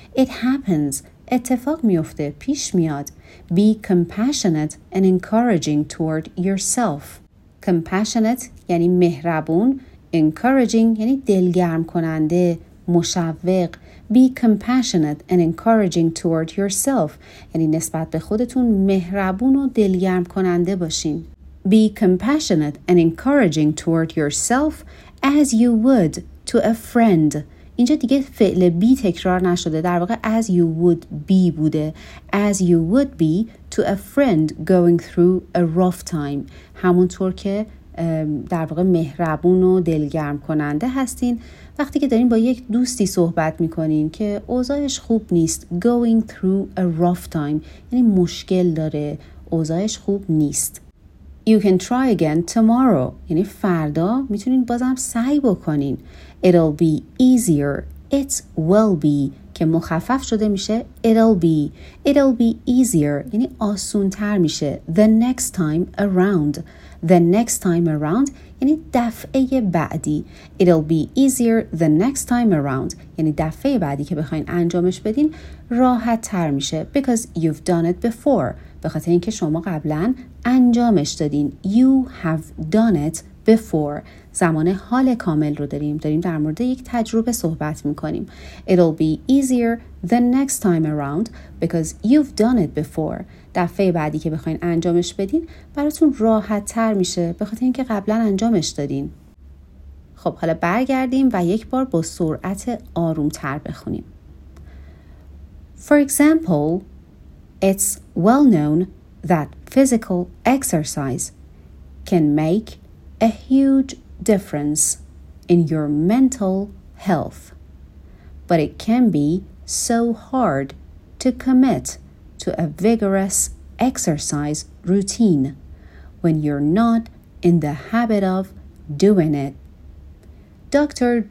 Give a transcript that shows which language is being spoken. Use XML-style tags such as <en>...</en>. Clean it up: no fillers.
<en>It happens.</en> <fa>اتفاق میفته. پیش میاد.</fa> <en>Be compassionate and encouraging toward yourself.</en> <fa>Compassionate یعنی مهربون. Encouraging یعنی دلگرم کننده. مشوق.</fa> <en>Be compassionate and encouraging toward yourself.</en> <fa>یعنی نسبت به خودتون مهربون و دلگرم کننده باشین.</fa> <en>Be compassionate and encouraging toward yourself as you would to a friend.</en> <fa>اینجا دیگه فعل be تکرار نشده. در واقع</fa> <en>as you would be</en> <fa>بوده.</fa> <en>As you would be to a friend going through a rough time.</en> <fa>همونطور که در واقع مهربون و دلگرم کننده هستین وقتی که دارین با یک دوستی صحبت میکنین که اوضاعش خوب نیست.</fa> <en>Going through a rough time</en> <fa>یعنی مشکل داره، اوضاعش خوب نیست.</fa> <en>You can try again tomorrow</en> <fa>یعنی فردا میتونین بازم سعی بکنین.</fa> <en>It'll be easier. It will be</en> <fa>که مخفف شده میشه</fa> <en>it'll be. It'll be easier</en> <fa>یعنی آسون تر میشه.</fa> <en>The next time around. The next time around</en> <fa>یعنی دفعه بعدی.</fa> <en>It'll be easier the next time around</en> <fa>یعنی دفعه بعدی که بخواین انجامش بدین راحت تر میشه.</fa> <en>Because you've done it before.</en> <fa>به خاطر اینکه شما قبلا انجامش دادین.</fa> <en>You have done it before.</en> <fa>زمان حال کامل رو داریم. داریم در مورد یک تجربه صحبت میکنیم.</fa> <en>It'll be easier the next time around because you've done it before.</en> <fa>دفعه بعدی که بخواین انجامش بدین براتون راحت تر میشه به خاطر اینکه قبلا انجامش دادین. خب حالا برگردیم و یک بار با سرعت آروم تر بخونیم.</fa> <en>For example, it's well known that physical exercise can make a huge difference in your mental health, but it can be so hard to commit to a vigorous exercise routine when you're not in the habit of doing it. Dr.</en>